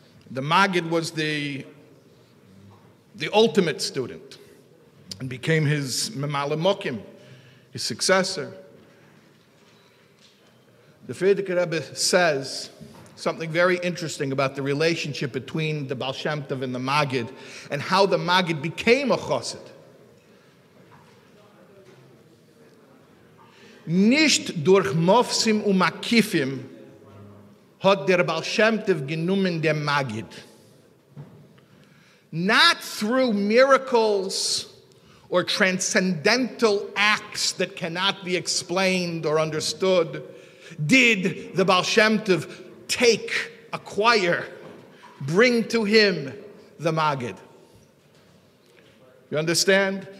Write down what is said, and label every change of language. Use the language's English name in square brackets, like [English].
[English] The Magid was the ultimate student and became his Memale Mokim, his successor. The Friedrich Rebbe says something very interesting about the relationship between the Baal Shem Tov and the Magid and how the Magid became a chosid. [Yiddish] Nicht durch [Hebrew] mofsim umakifim [Yiddish] hat der Baal Shem Tov genommen der Magid. [English] Not through miracles or transcendental acts that cannot be explained or understood did the Baal Shem Tov take, acquire, bring to him the Magid. You understand?